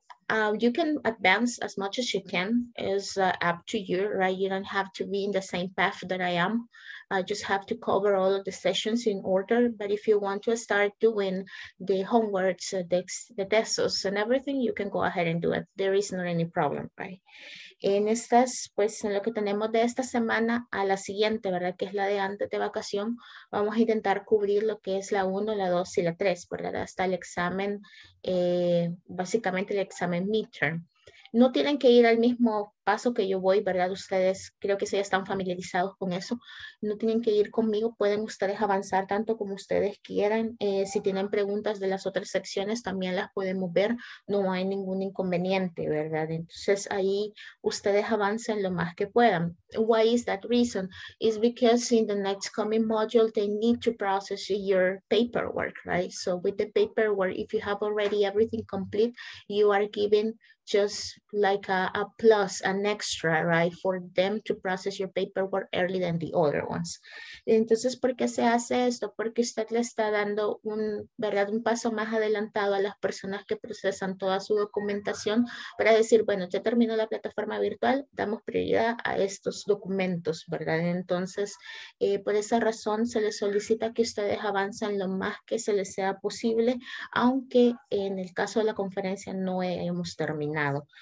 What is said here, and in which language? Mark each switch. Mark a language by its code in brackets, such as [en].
[en] You can advance as much as you can. It's up to you, right? You don't have to be in the same path that I am. I just have to cover all of the sessions in order. But if you want to start doing the homeworks, the tests and everything, you can go ahead and do it. There is not any problem, right? [es] En estas, pues, en lo que tenemos de esta semana a la siguiente, ¿verdad? Que es la de antes de vacación, vamos a intentar cubrir lo que es la 1, la 2 y la 3, ¿verdad? Hasta el examen, básicamente el examen midterm. No tienen que ir al mismo paso que yo voy, ¿verdad? Ustedes creo que ya están familiarizados con eso. No tienen que ir conmigo, pueden ustedes avanzar tanto como ustedes quieran. Si tienen preguntas de las otras secciones, también las podemos ver. No hay ningún inconveniente, ¿verdad? Entonces ahí ustedes avancen lo más que puedan. [en] Why is that reason? It's because in the next coming module, they need to process your paperwork, right? So with the paperwork, if you have already everything complete, you are given just like a plus, an extra, right, for them to process your paperwork early than the other ones. [es] Entonces, ¿por qué se hace esto? Porque usted le está dando un, ¿verdad?, un paso más adelantado a las personas que procesan toda su documentación para decir, bueno, ya terminó la plataforma virtual, damos prioridad a estos documentos, ¿verdad? Entonces, por esa razón, se les solicita que ustedes avancen lo más que se les sea posible, aunque en el caso de la conferencia no hemos terminado.